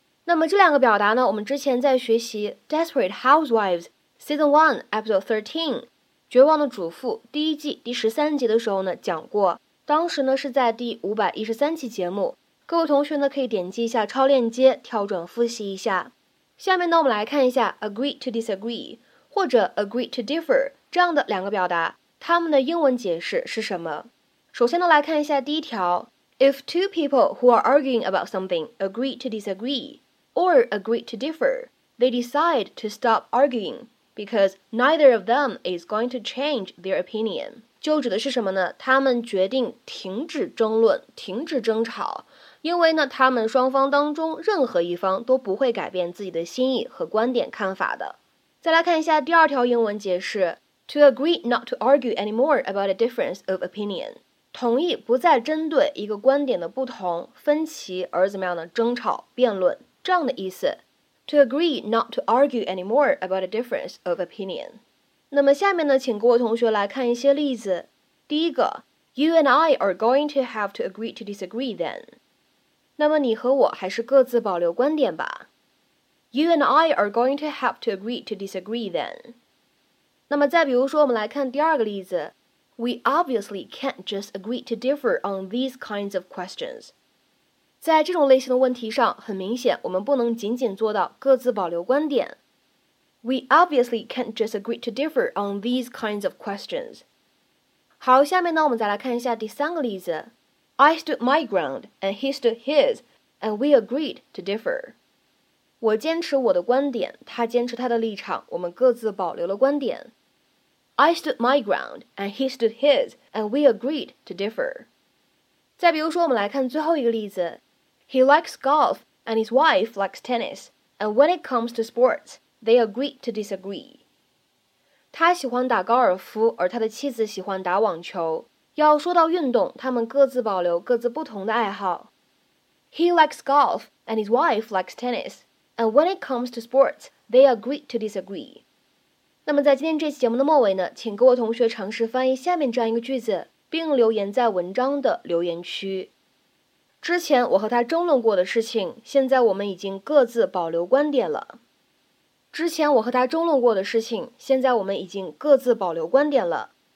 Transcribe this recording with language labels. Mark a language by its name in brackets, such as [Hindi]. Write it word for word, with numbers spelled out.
[Chinese] 那么这两个表达呢，我们之前在学习 Desperate Housewives Season one Episode thirteen 绝望的主妇第一季第十三集的时候呢讲过，当时呢是在第五百一十三期节目，各位同学呢可以点击一下超链接，跳转复习一下。下面呢我们来看一下 agree to disagree 或者 agree to differ 这样的两个表达，它们的英文解释是什么。首先呢来看一下第一条 [English] If two people who are arguing about something agree to disagree or agree to differ, they decide to stop arguing because neither of them is going to change their opinion. [Chinese] 就指的是什么呢？他们决定停止争论，停止争吵，因为呢，他们双方当中任何一方都不会改变自己的心意和观点看法的。再来看一下第二条英文解释 [English] To agree not to argue anymore about a difference of opinion [Chinese] 同意不再针对一个观点的不同、分歧而怎么样的争吵、辩论，这样的意思。 [English] To agree not to argue anymore about a difference of opinion [Chinese] 那么下面呢，请各位同学来看一些例子。第一个 [English] You and I are going to have to agree to disagree then， [Chinese] 那么你和我还是各自保留观点吧。 [English] You and I are going to have to agree to disagree then。 [Chinese] 那么再比如说我们来看第二个例子 [English] We obviously can't just agree to differ on these kinds of questions。 [Chinese] 在这种类型的问题上，很明显我们不能仅仅做到各自保留观点。 [English] We obviously can't just agree to differ on these kinds of questions。 [Chinese] 好，下面呢我们再来看一下第三个例子 [English] I stood my ground, and he stood his, and we agreed to differ. [Chinese] 我坚持我的观点，他坚持他的立场，我们各自保留了观点。 [English] I stood my ground, and he stood his, and we agreed to differ. [Chinese] 再比如说，我们来看最后一个例子。 [English] He likes golf, and his wife likes tennis, and when it comes to sports, they agreed to disagree. [Chinese] 他喜欢打高尔夫，而他的妻子喜欢打网球。要说到运动，他们各自保留各自不同的爱好。 [English] He likes golf, and his wife likes tennis, and when it comes to sports, they agree to disagree. [Chinese] 那么在今天这期节目的末尾呢，请各位同学尝试翻译下面这样一个句子，并留言在文章的留言区。之前我和他争论过的事情，现在我们已经各自保留观点了。之前我和他争论过的事情，现在我们已经各自保留观点了。